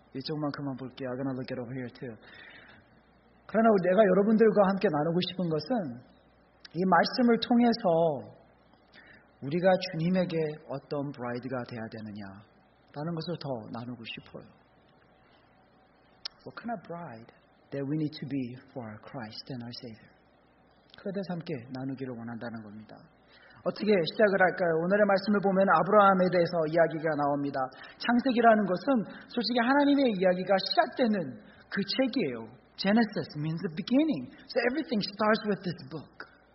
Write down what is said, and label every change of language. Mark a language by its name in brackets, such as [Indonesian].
[Korean] 이쪽만큼만 볼게요. [English] I'm gonna look it over here too. [Korean] 그러나 내가 여러분들과 함께 나누고 싶은 것은 이 말씀을 통해서 우리가 주님에게 어떤 브라이드가 돼야 되느냐 라는 것을 더 나누고 싶어요. [English] What kind of bride that we need to be for Christ and our Savior? [Korean] 그에 대해서 함께 나누기를 원한다는 겁니다. 어떻게 시작을 할까요? 오늘의 말씀을 보면 아브라함에 대해서 이야기가 나옵니다. 창세기라는 것은 솔직히 하나님의 이야기가 시작되는 그 책이에요. [English] Genesis means the beginning. So everything starts with this book.